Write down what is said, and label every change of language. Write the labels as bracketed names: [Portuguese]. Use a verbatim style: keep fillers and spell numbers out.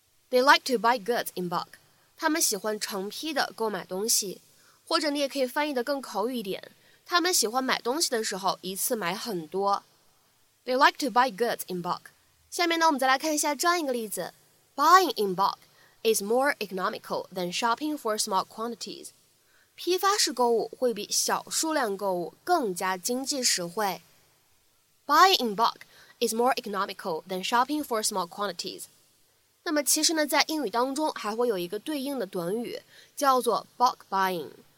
[English] They like to buy goods in bulk. [Chinese] 他们喜欢成批的购买东西，或者你也可以翻译得更口语一点。他们喜欢买东西的时候一次买很多。 [English] They like to buy goods in bulk. [Chinese] 下面呢，我们再来看一下这样一个例子。 [English] Buying in bulk. is more economical than shopping for small quantities. [Chinese] 批发式购物会比小数量购物更加经济实惠。 [English] Buying in bulk is more economical than shopping for small quantities. [Chinese] 那么其实呢，在英语当中还会有一个对应的短语，叫做 bulk buying。